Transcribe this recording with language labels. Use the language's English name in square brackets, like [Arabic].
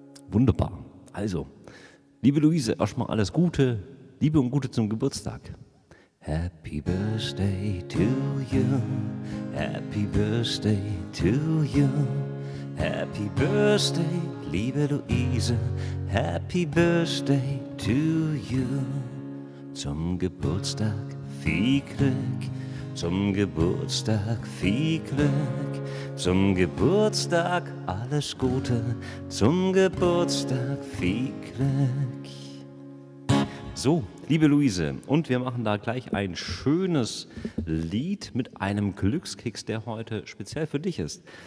[German] Wunderbar. Also, liebe Luise, erstmal alles Gute, Liebe und Gute zum Geburtstag. [English] Happy birthday to you, happy birthday to you, happy birthday, [German] liebe Luise, [English] happy birthday to you. [German] Zum Geburtstag viel Glück, zum Geburtstag viel Glück, zum Geburtstag alles Gute, zum Geburtstag viel Glück. So, liebe Luise, und wir machen da gleich ein schönes Lied mit einem Glückskeks, der heute speziell für dich ist.